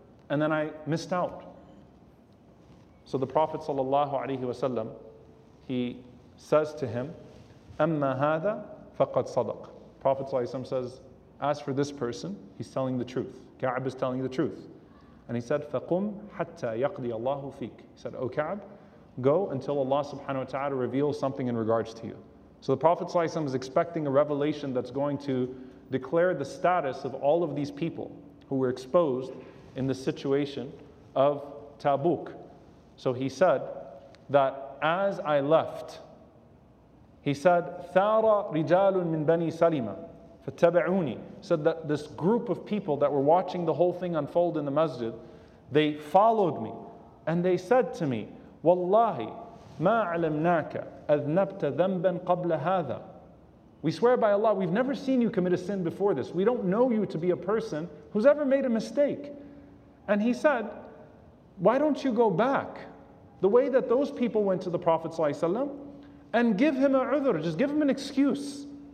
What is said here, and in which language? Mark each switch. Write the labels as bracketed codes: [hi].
[en] And then I missed out. So the Prophet ﷺ, he says to him, [ar] أَمَّا هَذَا فَقَدْ صَدَقْ. [en] Prophet ﷺ says, as for this person, he's telling the truth. Ka'ab is telling the truth. And he said, [ar] فَقُمْ حَتَّى يَقْضِيَ اللَّهُ فِيكَ. [en] He said, O Ka'ab, go until Allah subhanahu wa ta'ala reveals something in regards to you. So the Prophet ﷺ is expecting a revelation that's going to declare the status of all of these people who were exposed in the situation of Tabuk. So he said that as I left, he said, [ar] ثَارَ رِجَالٌ مِّن بَنِي سَلِمَةً فَتَّبَعُونِي. [en] Said that this group of people that were watching the whole thing unfold in the masjid, they followed me. And they said to me, [ar] وَاللَّهِ مَا عَلَمْنَاكَ أَذْنَبْتَ ذَنْبًا قَبْلَ هَذَا. [en] We swear by Allah, we've never seen you commit a sin before this. We don't know you to be a person who's ever made a mistake. And he said, why don't you go back the way that those people went to the Prophet ﷺ and give him a udhur, just give him an excuse.